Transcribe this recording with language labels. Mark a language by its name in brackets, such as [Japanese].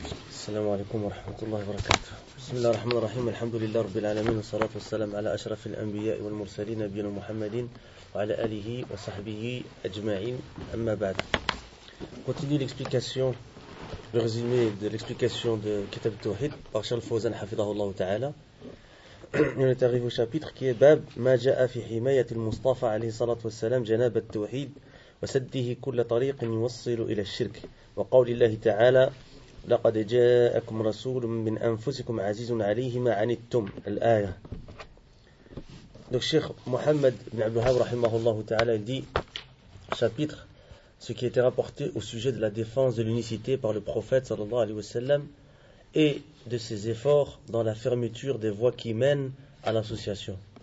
[Arabic] السلام عليكم ورحمة الله وبركاته. بسم الله الرحمن الرحيم. الحمد لله رب العالمين، والصلاة والسلام على أشرف الأنبياء والمرسلين نبينا محمد وعلى آله وصحبه أجمعين. أما بعد، [French] continue l'explication, le résumé de l'explication de Kitab al-Tawhid par Cheikh Al-Fawzan [Arabic] حفظه الله تعالى. [French] On est arrivé au chapitre qui est [Arabic] باب ما جاء في حماية المصطفى عليه الصلاة والسلام جناب التوحيد وسده كل طريق يوصل إلى الشرك وقول الله تعالى لقد جاءكم رسول من أنفسكم عزيز عليه ما عنتم الآية. [French] Donc Cheikh Mohamed bin Abdul Wahhab rahimahullah ta'ala dit chapitre ce qui était rapporté au sujet de la défense de l'unicité par le prophète sallallahu alayhi wa sallam et de ses efforts dans la fermeture des voies qui mènent à l'association.